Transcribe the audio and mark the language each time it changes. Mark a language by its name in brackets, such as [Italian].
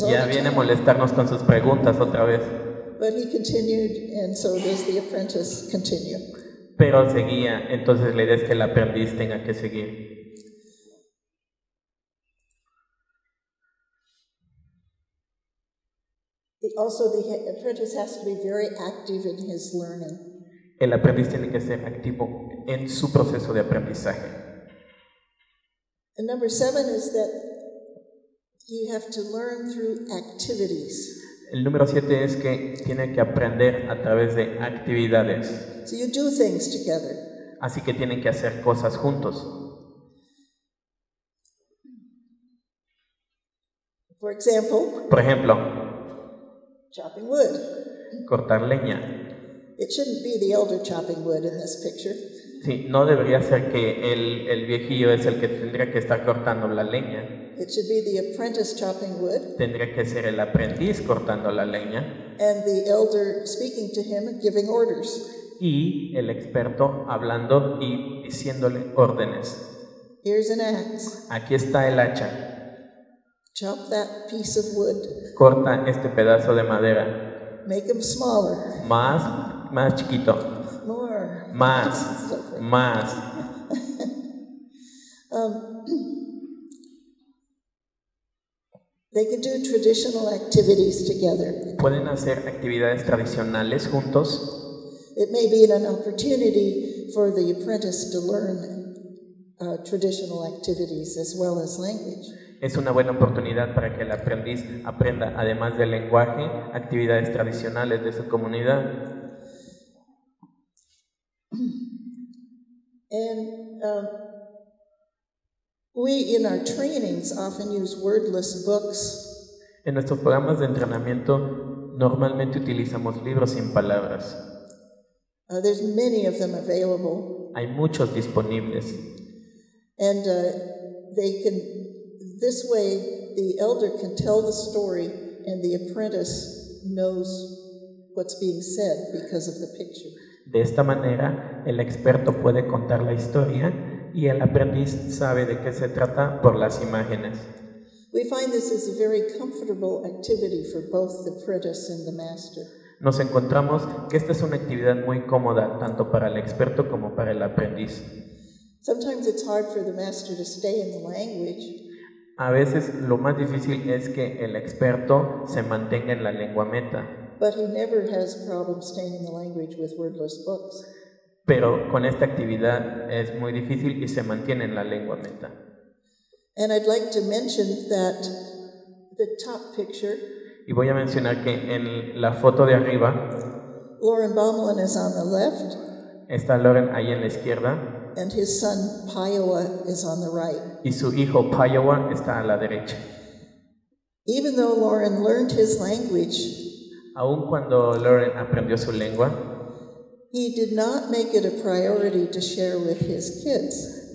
[Spanish] Ya viene a molestarnos con sus preguntas otra vez. [English] But he continued, and so does the apprentice continue. [Spanish] Pero seguía, entonces la idea es que el aprendiz tenga que seguir. [English] Also, the apprentice has to be very active in his learning. [Spanish] El aprendiz tiene que ser activo en su proceso de aprendizaje. [English] And number seven is that you have to learn through activities. [Spanish] El número siete es que tiene que aprender a través de actividades. [English] So you do things together. [Spanish] Así que tienen que hacer cosas juntos. [English] For example, [Spanish] por ejemplo, [English] chopping wood. [Spanish] Cortar leña. [English] It shouldn't be the elder chopping wood in this picture. [Spanish] Sí, no debería ser que el viejillo es el que tendría que estar cortando la leña. [English] It should be the apprentice chopping wood. [Spanish] Tendría que ser el aprendiz cortando la leña. [English] And the elder speaking to him and giving orders. [Spanish] Y el experto hablando y diciéndole órdenes. [English] Here's an axe. [Spanish] Aquí está el hacha. [English] Chop that piece of wood. [Spanish] Corta este pedazo de madera. [English] Make him smaller. [Spanish] Más chiquito. [English] More. [Spanish] Más. Más. [English] They can do traditional activities together. [Spanish] Pueden hacer actividades tradicionales juntos. [English] It may be an opportunity for the apprentice to learn traditional activities as well as language. [Spanish] Es una buena oportunidad para que el aprendiz aprenda, además del lenguaje, actividades tradicionales de su comunidad. [English] And we in our trainings often use wordless books. [Spanish] En nuestros programas de entrenamiento normalmente utilizamos libros sin palabras. [English] There's many of them available. [Spanish] Hay muchos disponibles. [English] And they can, this way the elder can tell the story and the apprentice knows what's being said because of the picture. [Spanish] De esta manera, el experto puede contar la historia y el aprendiz sabe de qué se trata por las imágenes. [English] We find this is a very comfortable activity for both the apprentice and the master. [Spanish] Nos encontramos que esta es una actividad muy cómoda tanto para el experto como para el aprendiz. [English] Sometimes it's hard for the master to stay in the language. [Spanish] A veces lo más difícil es que el experto se mantenga en la lengua meta. [English] But he never has problems staying in the language with wordless books. [Spanish] Pero con esta actividad es muy difícil y se mantiene en la lengua meta. [English] And I'd like to mention that the top picture. [Spanish] Y voy a mencionar que en la foto de arriba, [English] Lauren Baumlin is on the left. [Spanish] Está Lauren ahí en la izquierda. [English] And his son Piowa is on the right. [Spanish] Y su hijo Piowa está a la derecha. [English] Even though Lauren learned his language, [Spanish] aun cuando Lauren aprendió su lengua, [English] he did not make it a priority to share with his kids.